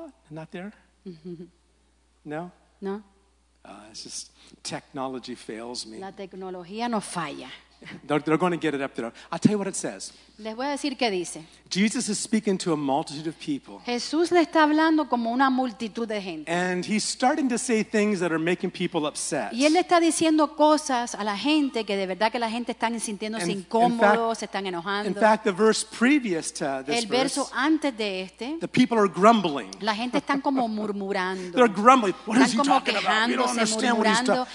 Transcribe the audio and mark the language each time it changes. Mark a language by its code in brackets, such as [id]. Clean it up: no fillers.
[en] Not there? No? No. It's just technology fails me. [es] La tecnología no falla. [en] They're going to get it up there. I'll tell you what it says. [es] Les voy a decir qué dice. [en] Jesus is speaking to a multitude of people. [es] Jesús le está hablando como una multitud de gente. [en] And he's starting to say things that are making people upset. [es] Y él le está diciendo cosas a la gente que de verdad que la gente están sintiéndose incómodos, se están enojando. [en] In fact, the verse previous to this [es] El verso [en] verse, [es] antes de este, [en] the people are grumbling. [es] La gente están como murmurando. [en] They're grumbling. What [es] están [en] is he talking about? We don't understand [es] murmurando.